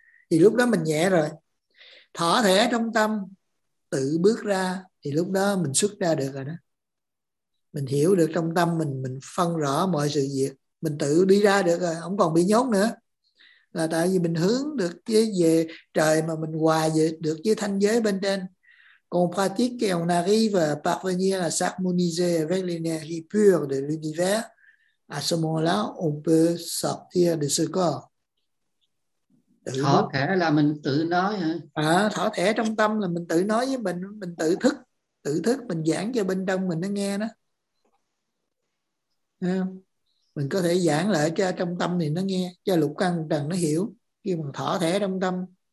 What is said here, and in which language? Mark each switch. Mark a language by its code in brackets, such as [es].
[vi] Thì lúc đó mình nhẹ rồi, thỏ thẻ trong tâm tự bước ra, thì lúc đó mình xuất ra được rồi đó. Mình hiểu được trong tâm mình phân rõ mọi sự việc, mình tự đi ra được rồi, không còn bị nhốt nữa. Là tại vì mình hướng được về trời mà mình hòa được với thanh giới bên trên. [fr] Qu'on pratique et on arrive à parvenir à s'harmoniser avec l'énergie pure de l'univers, à ce moment-là, on peut sortir de ce corps. [vi] Thỏ thẻ là mình tự nói hả? À, thỏ thẻ trong tâm là mình tự nói với mình tự thức. Tự thức, mình giảng cho bên trong mình nó nghe đó. Mình có thể giảng lại cho trong tâm thì nó nghe, cho lục căn trần nó hiểu, khi mà thỏ thẻ trong tâm.